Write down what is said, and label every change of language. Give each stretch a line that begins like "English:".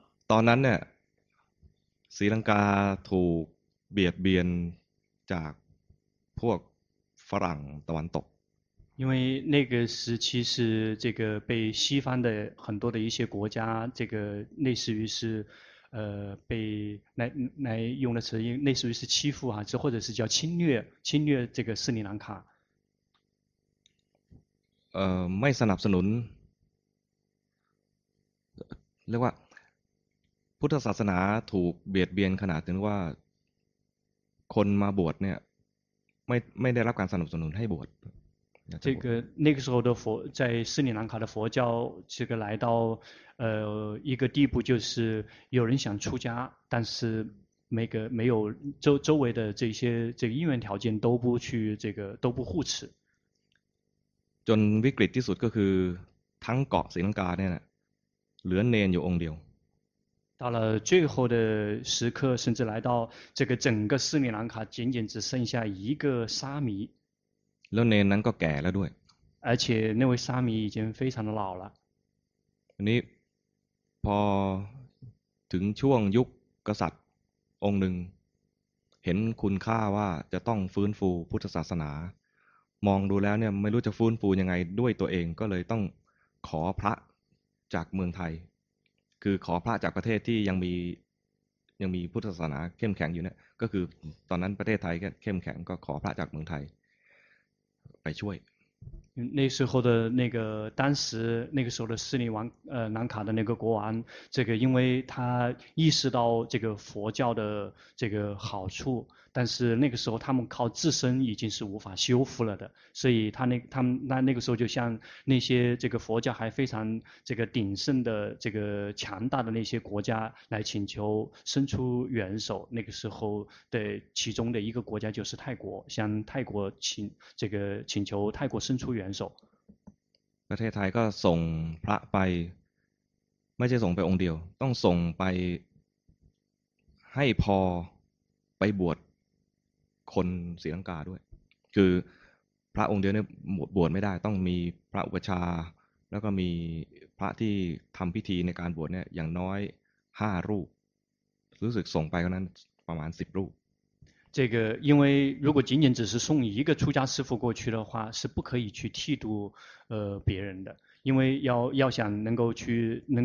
Thai: ตอนนั้นเนี่ยศรีลังกาถูกเบียดเบียนจากพวกฝรั่งตะวันตก
Chinese: 因为那个时期是这个被西方的很多的一些国家这个类似于是被来用的词类似于是欺负啊或者是叫侵略这个斯里兰卡
Thai: ไม่สนับสนุนเรียกว่าพุทธศาสนาถูกเบียดเบียนขนาดถึงว่าคนมาบวชเนี่ยไม่ได้รับการสนับสนุนให้บวช
Chinese: 这个那个时候的佛在斯里兰卡的佛教这个来到一个地步，就是有人想出家，但是没有周围的这些这个因缘条件都不去这个都不护持。
Thai: จนวิกฤตที่สุดก็คือทั้งเกาะศรีลังกาเนี่ยเหลือเนนอยู่องค์เดียว
Chinese: 到了最后的时刻，甚至来到这个整个斯里兰卡，仅仅只剩下一个沙弥。
Thai: แล้วเนนนั้นก็แก่แล้วด้วย
Chinese: 而且那位沙弥已经非常的老了
Thai: อันนี้พอถึงช่วงยุคกษัตริย์องค์หนึ่ง ห็นคุณค่าว่าจะต้องฟื้นฟูพุทธศาสนามองดูแล้วเนี่ยไม่รู้จะฟื้นฟูยังไงด้วยตัวเองก็เลยต้องขอพระจากเมืองไทยคือขอพระจากประเทศที่ยังมีพุทธศาสนาเข้มแข็งอยู่เนี่ยก็คือตอนนั้นประเทศไทยก็เข้มแข็งก็ขอพระจากเมืองไทยไปช่วย
Chinese: 那时候的那个当时那个时候的斯里王南卡的那个国王这个因为他意识到这个佛教的这个好处但是那个时候他们靠自身已经是无法修复了的所以他们那个时候就像那些这个佛教还非常这个鼎盛的这个强大的那些国家来请求伸出援手那个时候的其中的一个国家就是泰国向泰国请这个请求泰国伸出援手
Thai: ประเทศไทยก็ส่งพระไปไม่ใช่ส่งไปองค์เดียวต้องส่งไปให้พอไปบวชคนศรีลังกาด้วยคือพระองค์เดียวเนี่ยบวชไม่ได้ต้องมีพระอุปัชฌาย์แล้วก็มีพระที่ทำพิธีในการบวชเนี่ยอย่างน้อย5รูปรู้สึกส่งไปก็นั้นประมาณ10รูป
Chinese: 这个因为如果仅仅只是送一个出家师父过去的话是不可以去剃度别人的因为要想能够去